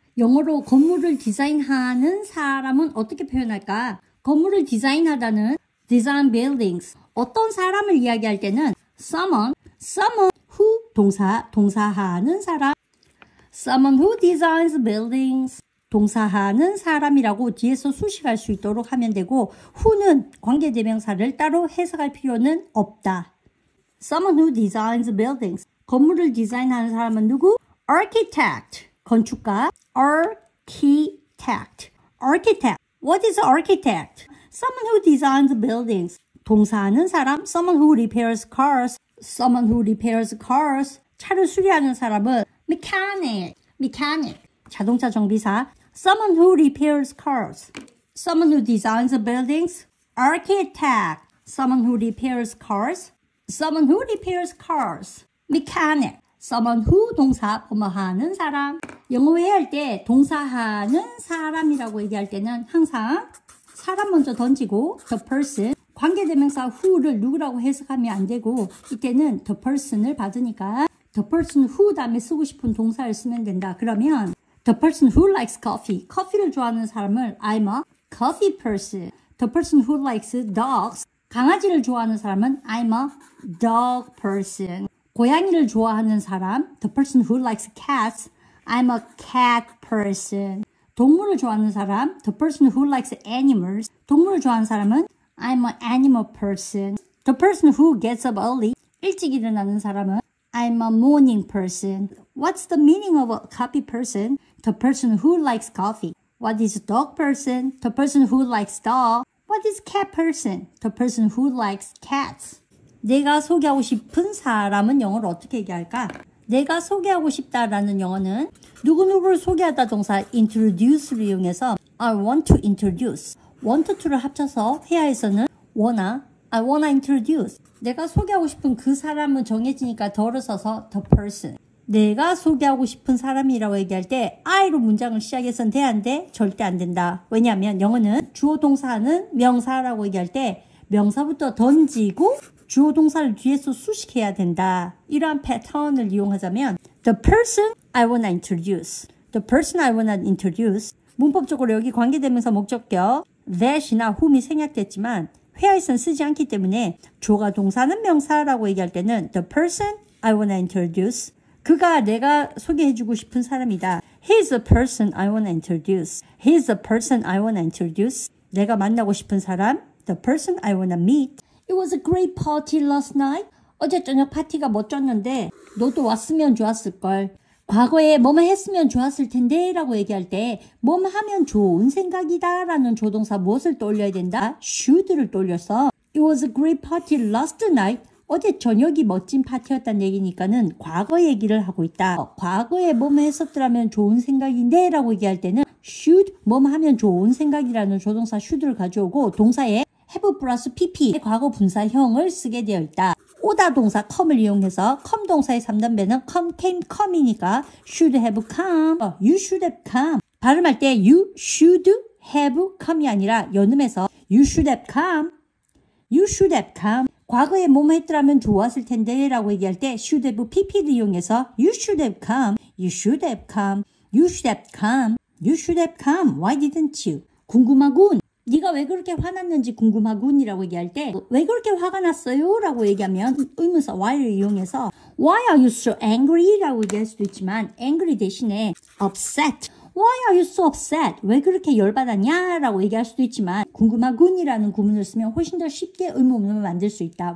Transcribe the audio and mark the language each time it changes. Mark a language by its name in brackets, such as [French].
[Korean] 영어로 건물을 디자인하는 사람은 어떻게 표현할까? 건물을 디자인하다는 [English] design buildings. [Korean] 어떤 사람을 이야기할 때는 [English] someone who [Korean] 동사하는 사람. [English] Someone who designs buildings. [Korean] 동사하는 사람이라고 뒤에서 수식할 수 있도록 하면 되고, who는 관계대명사를 따로 해석할 필요는 없다. [English] Someone who designs buildings. [Korean] 건물을 디자인하는 사람은 누구? [English] Architect. 건축가. Architect. Architect. What is architect? Someone who designs buildings. [Korean] 동사하는 사람. [English] Someone who repairs cars. Someone who repairs cars. [Korean] 차를 수리하는 사람은 mechanic. Mechanic. 자동차 정비사. [English] Someone who repairs cars. Someone who designs buildings. Architect. Someone who repairs cars. Someone who repairs cars. Mechanic. Someone who [Korean] 동사 범하는 사람. 영어 회화할 때 동사하는 사람이라고 얘기할 때는 항상 사람 먼저 던지고 the person 관계대명사 who를 누구라고 해석하면 안 되고 이때는 the person을 받으니까 [English] the person who [Korean] 다음에 쓰고 싶은 동사를 쓰면 된다. 그러면 [English] the person who likes coffee [Korean] 커피를 좋아하는 사람을 [English] I'm a coffee person. The person who likes dogs [Korean] 강아지를 좋아하는 사람은 [English] I'm a dog person. [Korean] 고양이를 좋아하는 사람, [English] the person who likes cats, I'm a cat person. [Korean] 동물을 좋아하는 사람, [English] the person who likes animals, [Korean] 동물을 좋아하는 사람은 [English] I'm a animal person. The person who gets up early, [Korean] 일찍 일어나는 사람은 [English] I'm a morning person. What's the meaning of a coffee person? The person who likes coffee. What is a dog person? The person who likes dog. What is cat person? The person who likes cats. [Korean] 내가 소개하고 싶은 사람은 영어로 어떻게 얘기할까? 내가 소개하고 싶다라는 영어는 누구누구를 소개하다 동사 introduce를 이용해서 [English] I want to introduce, [Korean] want to를 합쳐서 회화에서는 wanna, [English] I wanna introduce. [Korean] 내가 소개하고 싶은 그 사람은 정해지니까 더를 써서 the person. 내가 소개하고 싶은 사람이라고 얘기할 때 I로 문장을 시작해서는 돼, 안 돼? 절대 안 된다. 왜냐하면 영어는 주어 동사는 명사라고 얘기할 때 명사부터 던지고 주어 동사를 뒤에서 수식해야 된다. 이러한 패턴을 이용하자면 [English] the person I wanna introduce, the person I wanna introduce. [Korean] 문법적으로 여기 관계대명사 목적격 that이나 whom이 생략됐지만 회화에서는 쓰지 않기 때문에 주어가 동사는 명사라고 얘기할 때는 [English] the person I wanna introduce. [Korean] 그가 내가 소개해주고 싶은 사람이다. [English] He's a person I wanna introduce. He's a person I wanna introduce. [Korean] 내가 만나고 싶은 사람 [English] the person I wanna meet. It was a great party last night. [Korean] 어제 저녁 파티가 멋졌는데, 너도 왔으면 좋았을걸. 과거에 뭐뭐 했으면 좋았을 텐데, 라고 얘기할 때, 뭐뭐 하면 좋은 생각이다, 라는 조동사 무엇을 떠올려야 된다? should를 떠올려서, [English] It was a great party last night. [Korean] 어제 저녁이 멋진 파티였단 얘기니까는 과거 얘기를 하고 있다. 과거에 뭐뭐 했었더라면 좋은 생각인데, 라고 얘기할 때는, should, 뭐뭐 하면 좋은 생각이라는 조동사 should를 가져오고, 동사에 have 플러스 pp 과거 분사형을 쓰게 되어 있다. 오다 동사 come을 이용해서 come 동사의 3단변은 come came come이니까 [English] should have come, you should have come. [Korean] 발음할 때 [English] you should have come이 [Korean] 아니라 연음해서 [English] you should have come, you should have come. [Korean] 과거에 뭐뭐 했더라면 좋았을 텐데라고 얘기할 때 should have pp를 이용해서 [English] you should have come, you should have come, you should have come, you should have come. Why didn't you? [Korean] 궁금하군. 네가 왜 그렇게 화났는지 궁금하군이라고 얘기할 때왜 그렇게 화가 났어요라고 얘기하면 의문사 why를 이용해서 [English] why are you so angry [Korean] 라고 얘기할 수도 있지만 angry 대신에 upset. [English] why are you so upset? [Korean] 왜 그렇게 열받았냐라고 얘기할 수도 있지만 궁금하군이라는 구문을 쓰면 훨씬 더 쉽게 의문문을 만들 수 있다.